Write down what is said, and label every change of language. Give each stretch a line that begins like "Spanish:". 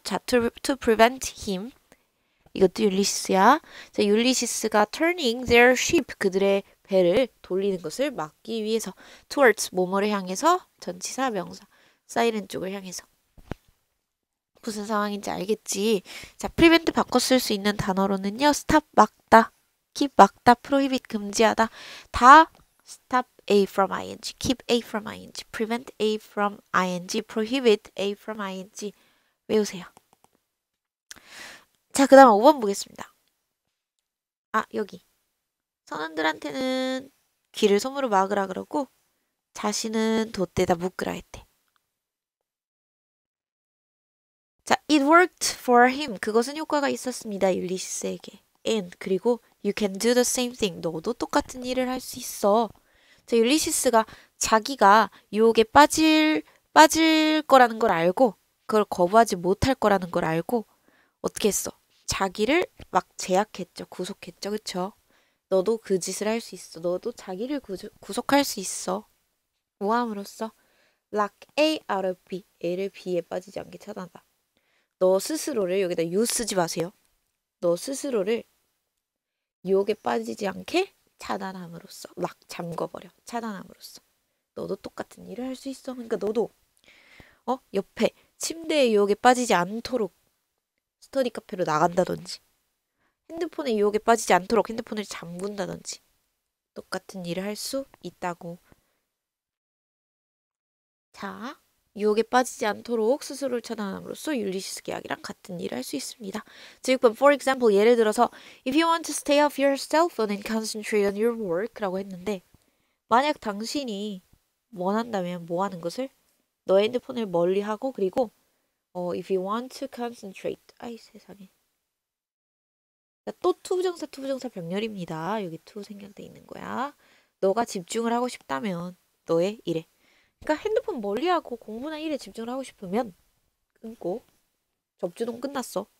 Korean: 자,
English: to prevent him.
Korean: 이것도 율리시스야. 자, 율리시스가
English: turning their ship,
Korean: 그들의 배를 돌리는 것을 막기 위해서
English: towards
Korean: 뭐뭐를 향해서 전치사 명사 사이렌 쪽을 향해서 무슨 상황인지 알겠지? 자, prevent 바꿔 쓸수 있는 단어로는요, stop 막다, keep 막다, prohibit 금지하다 다
English: stop a from ing,
Korean: keep a from ing, prevent a from ing, prohibit a from ing 외우세요. 자, 그 다음 5번 보겠습니다. 아, 여기. 선원들한테는 귀를 솜으로 막으라 그러고, 자신은 돗대에다 묶으라 했대. 자,
English: it worked for him.
Korean: 그것은 효과가 있었습니다, 율리시스에게.
English: And,
Korean: 그리고,
English: you can do the same thing.
Korean: 너도 똑같은 일을 할수 있어. 자, 율리시스가 자기가 유혹에 빠질 거라는 걸 알고, 그걸 거부하지 못할 거라는 걸 알고, 어떻게 했어? 자기를 막 제약했죠. 구속했죠. 그쵸? 너도 그 짓을 할수 있어. 너도 자기를 구속할 수 있어. 우함으로써
English: Lock A out of B.
Korean: A를 B에 빠지지 않게 차단하다. 너 스스로를 여기다 you 쓰지 마세요. 너 스스로를 유혹에 빠지지 않게 차단함으로써 막 잠궈버려. 차단함으로써 너도 똑같은 일을 할수 있어. 그러니까 너도 옆에 침대의 유혹에 빠지지 않도록 스터디 카페로 나간다든지, 핸드폰의 유혹에 빠지지 않도록 핸드폰을 잠근다든지, 똑같은 일을 할수 있다고. 자, 유혹에 빠지지 않도록 스스로를 차단함으로써 율리시스 계약이랑 같은 일을 할수 있습니다. 즉,
English: for example,
Korean: 예를 들어서,
English: If you want to stay off your cell phone and concentrate on your work,
Korean: 라고 했는데, 만약 당신이 원한다면 뭐 하는 것을? 너의 핸드폰을 멀리 하고, 그리고,
English: if you want to concentrate.
Korean: 아이, 세상에. 자, 또 투부정사, 투부정사 병렬입니다. 여기 투 생략돼 있는 거야. 너가 집중을 하고 싶다면, 너의 일에. 그러니까 핸드폰 멀리하고 공부나 일에 집중을 하고 싶으면, 끊고, 접주동 끝났어.